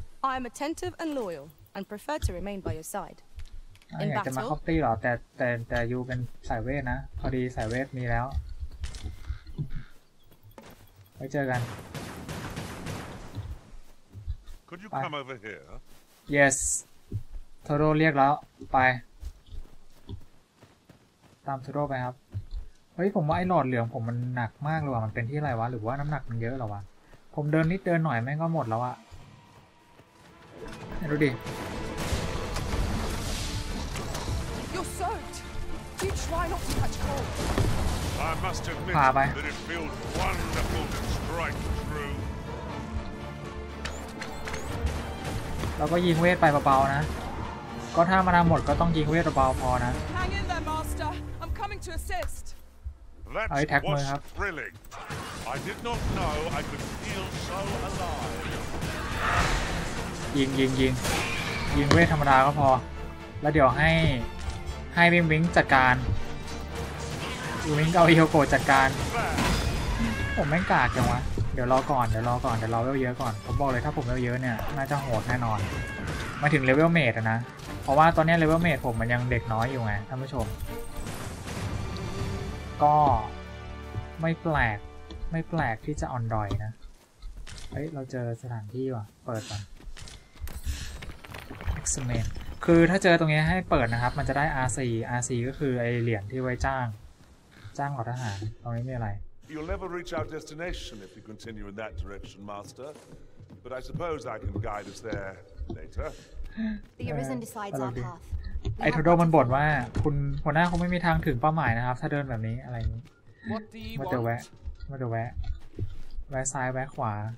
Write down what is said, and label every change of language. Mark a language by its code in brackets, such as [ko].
[en] I am attentive and loyal and prefer to remain by your side. In battle, I'm a copy, but you are a sniper, [th] นะ พอดี sniper มีแล้ว ไว้เจอกัน [en] Could you come over here? Yes. [th] โทโร่เรียกแล้วไปตามโทโร่ไปครับเฮ้ยผมว่าไอ้หลอดเหลืองผมมันหนักมากเลยว่ะมันเป็นที่อะไรวะหรือว่าน้ำหนักมันเยอะหรอวะผมเดินนิดเดินหน่อยแม่งก็หมดแล้วอะดูดิ [en] You're soaked. You try not to catch cold. I must admit that it feels wonderful to strike through. [th] เราก็ยิงเวทไปเบาๆนะก็ถ้ามันหมดก็ต้องยิงเวทเบาพอนะ [en] Hang in there, Master. I'm coming to assist. That was thrilling. I did not know I could feel so alive. [th] ยิงยิงยิงยิงเวทธรรมดาก็พอแล้วเดี๋ยวให้วิ้งวิ้งจัดการวิ้งวิ้งเอาเอโกจัดการผมแม่งกากจังวะเดี๋ยวรอก่อนเดี๋ยวรอก่อนเดี๋ยวเลเวลเยอะก่อนผมบอกเลยถ้าผมเลเวลเยอะเนี่ยน่าจะโหดแน่นอน มาถึงเลเวลเมทนะเพราะว่าตอนนี้เลเวลเมทผมมันยังเด็กน้อยอยู่ไงท่านผู้ชมก็ไม่แปลกไม่แปลกที่จะออนดอยนะเฮ้ยเราเจอสถานที่ว่ะเปิดก่อนExamen. คือถ้าเจอตรงนี้ให้เปิดนะครับมันจะได้ RC RC ก็คือไอเหรียญที่ไว้จ้างทหารตรงนี้มีอะไร [en] You'll never reach our destination if you continue in that direction master but I suppose I can guide us there later The Arisen decides our path [th] ไอโทโดมันบ่นว่าคุณหัวหน้าคงไม่มีทางถึงเป้าหมายนะครับถ้าเดินแบบนี้อะไรนี้ [en] What do you [th] want มาเดี๋ยวแวะซ้ายแวะขวา